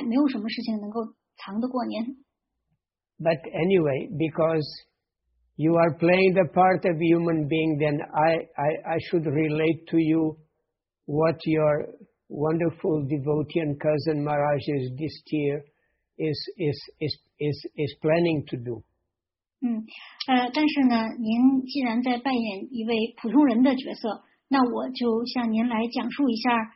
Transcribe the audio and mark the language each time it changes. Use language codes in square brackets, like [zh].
[zh] 您知道过去、现在以及将来，没有什么事情能够藏得过您。 [en] But anyway, because you are playing the part of human being, then I should relate to you what your wonderful devotee and cousin Maharaj is this year is planning to do. [zh] 但是呢，您既然在扮演一位普通人的角色，那我就向您来讲述一下。